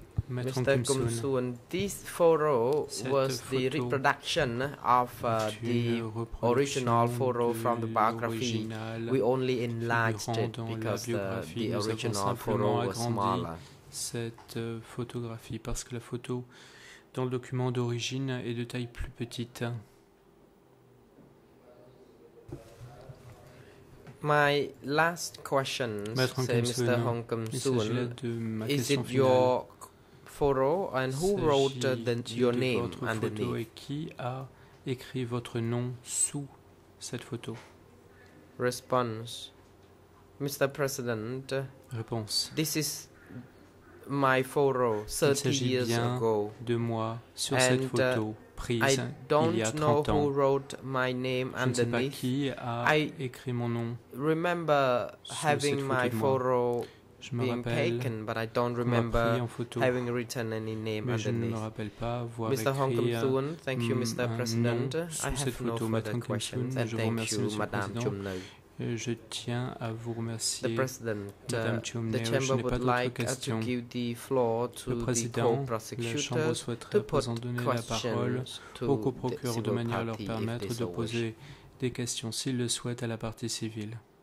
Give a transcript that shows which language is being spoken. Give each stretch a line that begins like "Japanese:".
English: Mr. Kumsun, this photo was the reproduction of the original photo from the biography. We only enlarged it because the original photo was smaller.
French: Cette photographie, parce que la photo dans le document d'origine est de taille plus petite.
English: My last question, Mr. Hong Kumsun, is it your photo and who wrote your name underneath?
French: Et qui a écrit votre nom sous cette photo?
English: Response. Mr. President.
French: Réponse.
English: This is my photo 30 years ago.
French: De moi sur cette photo prise il y a 30 ans.
English: I don't know who wrote my name underneath.
French: Je ne sais pas qui a écrit mon nom.
English: I remember having my photo being taken, but I don't remember having written any name underneath. Mr. Hong Kong-soon, thank you, Mr. President. I have no further questions, and thank you, Madame Chum Neou.
French: Je tiens à vous remercier,
English: the President, the Chamber would like questions. To give the floor to the co-prosecutor to put questions to the
French: procureur de manière leur permettre de poser des questions s'ils le souhaitent à la partie civile.